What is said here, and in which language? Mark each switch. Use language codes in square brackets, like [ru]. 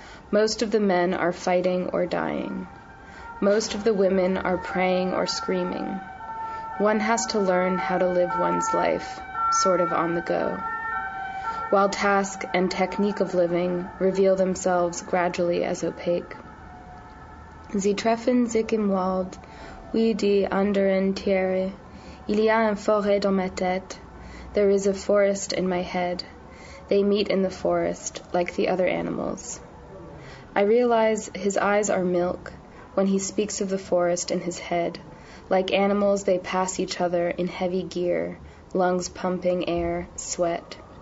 [en] Most of the men are fighting or dying. Most of the women are praying or screaming. One has to learn how to live one's life, sort of on the go, while task and technique of living reveal themselves gradually as opaque. [de] Sie treffen sich im Wald, oui, die anderen Tiere. [fr] Il y a un forêt dans ma tête. [en] There is a forest in my head. They meet in the forest, like the other animals. I realize his eyes are milk when he speaks of the forest in his head. Like animals, they pass each other in heavy gear, lungs pumping air, sweat.